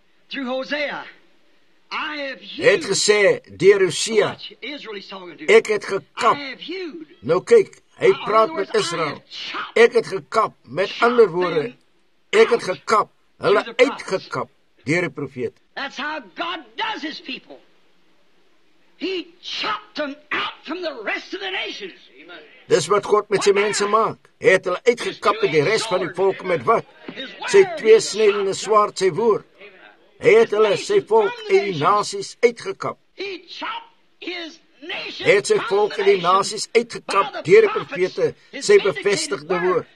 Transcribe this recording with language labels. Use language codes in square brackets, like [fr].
[af] Het gesê deur Hosea. Ek het gekap. Nou kyk. Hy praat met Israel. Ek het gekap, met ander woorde, ek het gekap, hulle uitgekap, deur die profeet. [en] That's how God does his people. He chopped them out from the rest of the nations. [af] Dis wat God met sy mense maak. Hy het hulle uitgekap met die rest van die volk met wat? Sy tweesnedende swaard, sy woord. Hy het hulle, sy volk en die nasies uitgekap. [en] He chopped his [af] hy het sy volk en die nasies uitgekap deur die profete, sy bevestigde woord.